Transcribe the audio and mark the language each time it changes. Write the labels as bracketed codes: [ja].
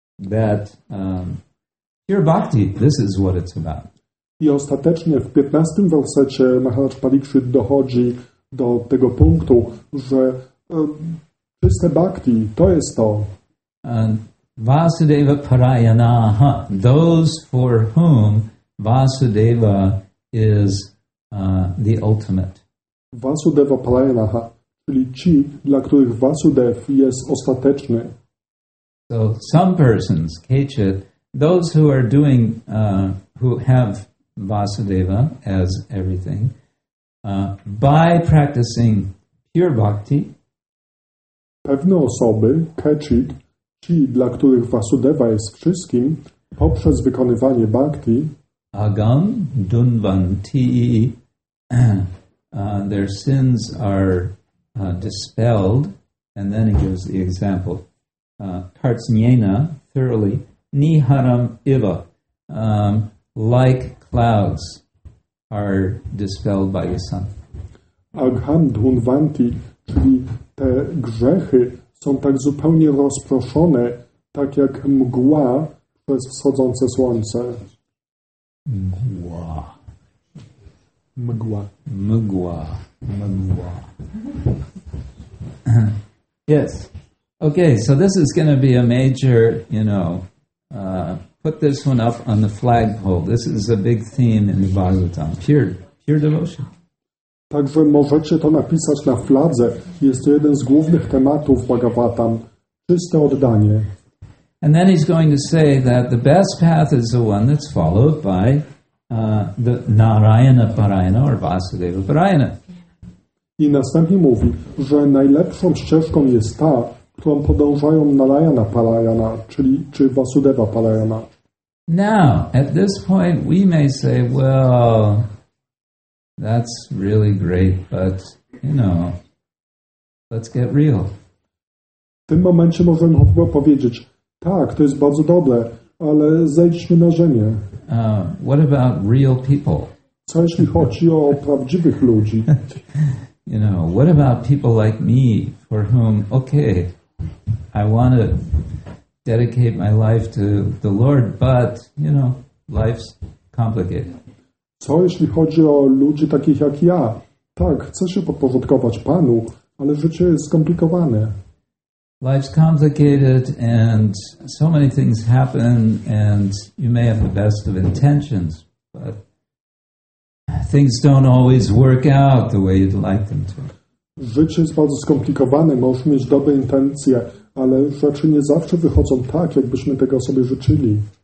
[en] that pure bhakti, this is what it's about. [pl] I ostatecznie w 15 wersecie Maharaj Pariksit dochodzi do tego punktu, że czyste bhakti to jest to. [sa] Vasudeva parayanaha, [en] those for whom Vasudeva is the ultimate. [sa] Vasudeva parayanaha, [pl] czyli ci, dla których Vasudev jest ostateczny. [en] So some persons, Kechit, those who are doing, who have Vasudeva as everything, by practicing pure bhakti. [pl] Pewne osoby, Kechit, ci, dla których Vasudeva jest wszystkim, poprzez wykonywanie bhakti. [sa] Agam dunvanti, [en] their sins are dispelled, and then he gives the example. Kartsnyena, thoroughly, [sa] niharam iva, [en] like clouds are dispelled by the sun. [sa] Agham dhunvanti, [pl] czyli te grzechy są tak zupełnie rozproszone, tak jak mgła przez wschodzące słońce. Mgła. Mgła. Mgła. Mgła. [en] Yes. Okay, so this is going to be a major, you know, put this one up on the flagpole. This is a big theme in the Bhagavatam. Pure devotion. [pl] Także możecie to napisać na fladze. Jest to jeden z głównych tematów Bhagavatam. Czyste oddanie. [en] And then he's going to say that the best path is the one that's followed by the Narayana Parayana or Vasudeva Parayana. [pl] I następnie mówi, że najlepszą ścieżką jest ta, którą podążają Narayana Parayana, czyli czy Vasudeva Parayana. [en] Now, at this point, we may say, well, that's really great, but, you know, let's get real. [pl] W tym momencie możemy chyba powiedzieć, tak, to jest bardzo dobre, ale zejdźmy na ziemię. [en] What about real people? [pl] Co jeśli chodzi o prawdziwych ludzi? [en] You know, what about people like me, for whom, okay, I want to dedicate my life to the Lord, but, you know, life's complicated. [pl] Co jeśli chodzi o ludzi takich jak ja? Tak, chcę się podporządkować Panu, ale życie jest skomplikowane. [en] Life's complicated and so many things happen and you may have the best of intentions, but things don't always work out the way you'd like them to. [pl] Życie jest bardzo skomplikowane, możesz mieć dobre intencje, ale rzeczy nie zawsze wychodzą tak, jakbyśmy tego sobie życzyli.